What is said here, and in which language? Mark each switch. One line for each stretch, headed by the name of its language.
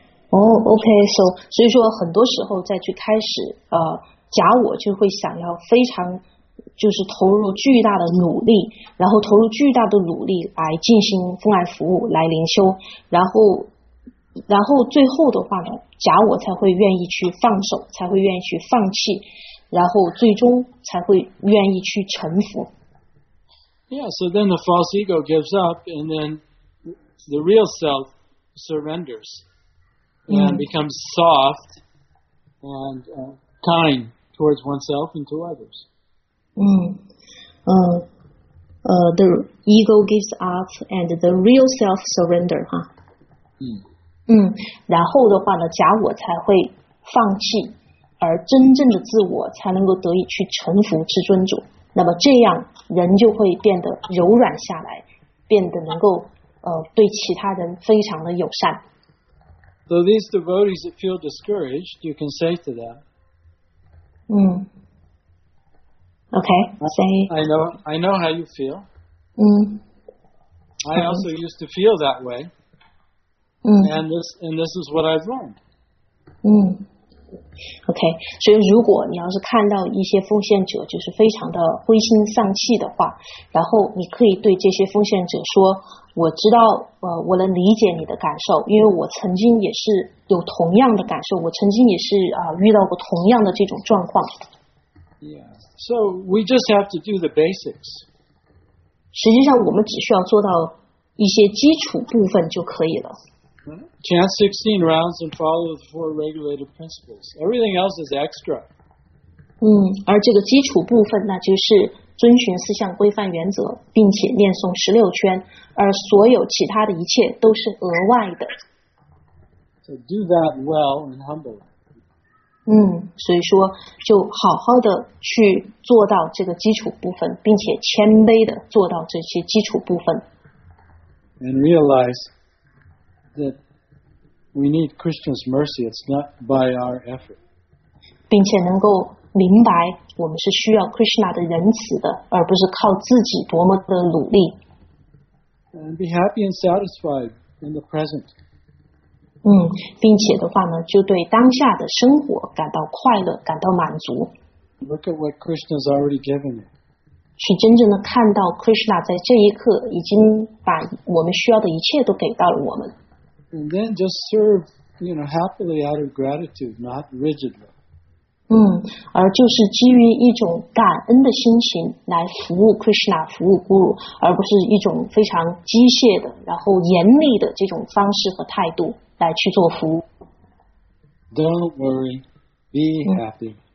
Chinese: So 说很多时候再去开始假我就会想要非常就是投入巨大的努力，然后投入巨大的努力来进行奉爱服务来灵修，然后最后的话呢，假我才会愿意去放手，才会愿意去放弃，然后最终才会愿意去臣服。
English: Yeah, so then the false ego gives up and then. The real self surrenders and becomes soft and kind towards oneself and to others. The ego gives up and the real self surrender, huh?
Chinese: 然后的话呢，假我才会放弃，而真正的自我才能够得以去臣服至尊主。那么这样人就会变得柔软下来，变得能够对其他人非常的友善。
English: So these devotees that feel discouraged, you can say to them, Okay, say. I know how you feel. I also used to feel that way. And this is what I've learned.
Chinese: Okay, 所以如果你要是看到一些奉献者就是非常的灰心丧气的话，然后你可以对这些奉献者说，我知道我能理解你的感受，因为我曾经也是有同样的感受，我曾经也是遇到过同样的这种状况。
English: So we just have to do the basics.
Chinese: 实际上我们只需要做到一些基础部分就可以了。
English: Chant 16 rounds and follow the four regulated principles. Everything else is extra.
Chinese: 而这个基础部分那就是遵循四项规范原则，并且念诵16圈，而所有其他的一切都是额外的。
English: So do that well and humbly.
Chinese: 所以说就好好的去做到这个基础部分，并且谦卑的做到这些基础部分。
English: And realize. That we need Krishna's mercy. It's not by our effort.
Chinese: 并且能够明白我们是需要 Krishna 的仁慈的，而不是靠自己多么的努力。
English: And be happy and satisfied in the present.
Chinese: 并且的话呢，就对当下的生活感到快乐，感到满足。
English: Look at what Krishna's already given you.
Chinese: 去真正的看到 Krishna 在这一刻已经把我们需要的一切都给到了我们。
English: And then just serve, you know, happily out of gratitude, not rigidly.
Chinese: 而就是基于一种感恩的心情来服务 Krishna, 服务 Guru, 而不是一种非常机械的然后严厉的这种方式和态度来去做服务。
English: Don't worry, be happy.